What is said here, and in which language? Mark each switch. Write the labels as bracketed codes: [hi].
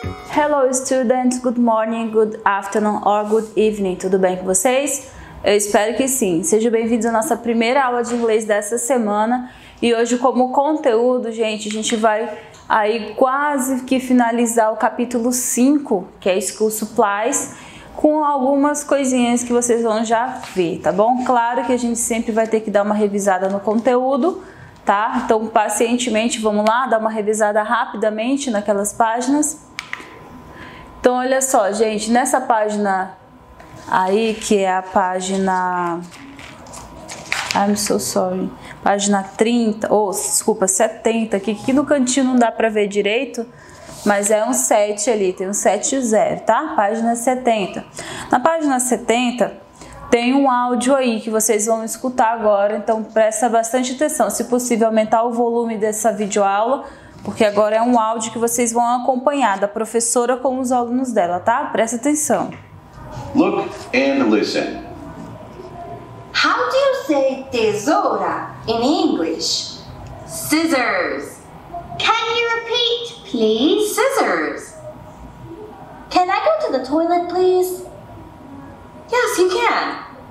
[en] Hello students, good morning, good afternoon or good evening. [pt] Tudo bem com vocês? Eu espero que sim. Sejam bem-vindos à nossa primeira aula de inglês dessa semana. E hoje, como conteúdo, gente, a gente vai aí quase que finalizar o capítulo 5, que é School Supplies, com algumas coisinhas que vocês vão já ver, tá bom? Claro que a gente sempre vai ter que dar uma revisada no conteúdo, tá? Então, pacientemente, vamos lá, dar uma revisada rapidamente naquelas páginas. Então, olha só, gente, nessa página aí, que é a página [en] I'm so sorry. [pt] Página 30, ou, desculpa, 70, que aqui no cantinho não dá pra ver direito, mas é um 7 ali, tem um 70, tá? Página 70. Na página 70, tem um áudio aí que vocês vão escutar agora, então presta bastante atenção. Se possível, aumentar o volume dessa videoaula, porque agora é um áudio que vocês vão acompanhar da professora com os alunos dela, tá? Presta atenção. [en] Look and listen. How do you say tesoura in English? Scissors. Can you repeat, please? Scissors. Can I go to the toilet, please? Yes, you can.